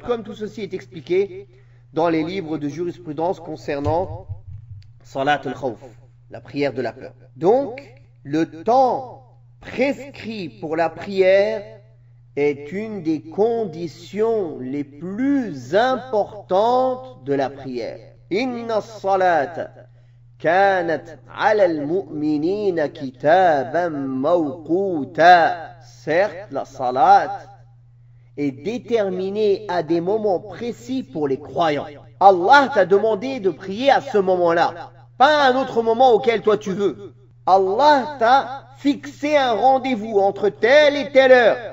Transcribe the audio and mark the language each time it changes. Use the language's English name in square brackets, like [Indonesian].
[French] Comme tout ceci est expliqué dans les livres de jurisprudence concernant Salat al-Khawf, la prière de la peur. Donc, le temps prescrit pour la prière est une des conditions les plus importantes de la prière. [Arabic] Inna salat كانت على المؤمنين كتابا موقوتا. [French] Certes, la salat est déterminée à des moments précis pour les croyants. Allah t'a demandé de prier à ce moment-là, pas à un autre moment auquel toi tu veux. Allah t'a fixé un rendez-vous entre telle et telle heure.